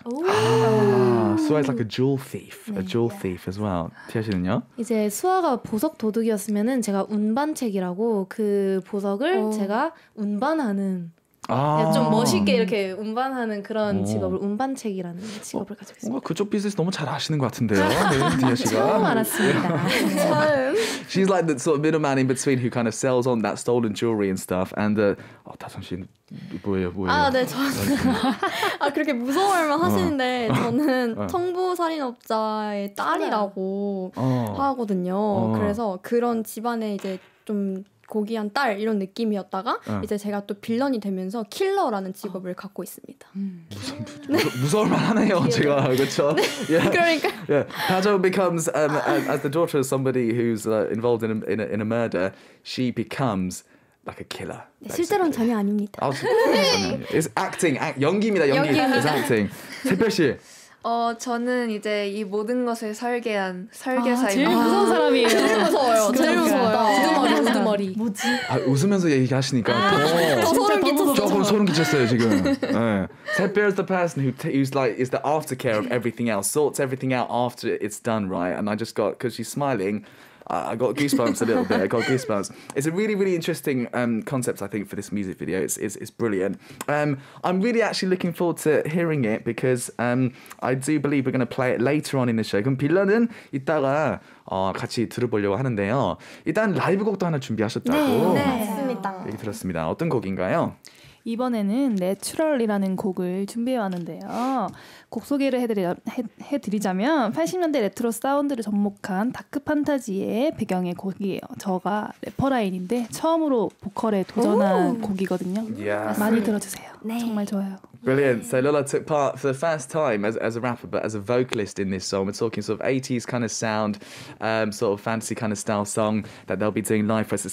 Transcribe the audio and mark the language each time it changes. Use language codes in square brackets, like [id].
[en] 수아 is like a jewel thief. 네. A jewel thief as well. [ko] 티아 씨는요? 이제 수아가 보석 도둑이었으면은 제가 운반책이라고 그 보석을 제가 운반하는 좀 멋있게 이렇게 운반하는 그런 직업을 운반책이라는 직업을 가지고 있습니다. 뭔가 그쪽 비즈니스 너무 잘 아시는 것 같은데요. 디아 씨가. 처음 알았습니다. [en] She's like the sort of middleman in between who kind of sells on that stolen jewelry and stuff. [ko] And 다솜 씨 뭐예요? 아, 네, 저는 아 그렇게 무서워 말만 하시는데 저는 청부 살인업자의 딸이라고 하거든요. 그래서 그런 집안에 이제 좀 고귀한 딸 이런 느낌이었다가 이제 제가 또 빌런이 되면서 킬러라는 직업을 갖고 있습니다. 무서울만하네요. 제가 그렇죠. 네. Yeah. 그러니까. [en] Yeah. Pajo becomes as the daughter of somebody who's involved in a murder, she becomes like a killer. [ko] 네, 실제로는 전혀 아닙니다. 아, 전혀 [en] It's acting. [ko] 연기입니다. 연기. 연기입니다. It's acting. 세별 씨. 저는 이제 이 모든 것을 설계한 설계사입니다. 제일 무서운 사람이에요. 제일 무서워요. 제일 무서워요. 우두머리. 뭐지? 아, 웃으면서 얘기하시니까. 아, 조금 소름 끼쳤어요 지금. [en] 세페 is the person who's like is the aftercare of everything else, sorts everything out after it's done, right? And I just got because she's smiling. I got goosebumps a little bit. I got goosebumps. It's a really, really interesting concept, I think, for this music video. It's brilliant. I'm really actually looking forward to hearing it because I do believe we're going to play it later on in the show. [ko] 그럼 빌런은 이따가 같이 들어보려고 하는데요. 일단 라이브 곡도 하나 준비하셨다고. 네, 네 맞습니다. 얘기 들었습니다. 어떤 곡인가요? 이번에는 내추럴이라는 곡을 준비해왔는데요. 곡 소개를 해드리자면 80년대 레트로 사운드를 접목한 다크 판타지의 배경의 곡이에요. 저가 래퍼라인인데 처음으로 보컬에 도전한 곡이거든요. [en] Yes. [ko] 많이 들어주세요. 네. 정말 좋아요. [en] Brilliant. So Lola took part for the first time as a rapper, but as a vocalist in this song. We're talking sort of 80s kind of sound, sort of fantasy kind of style song that they'll be doing live for us.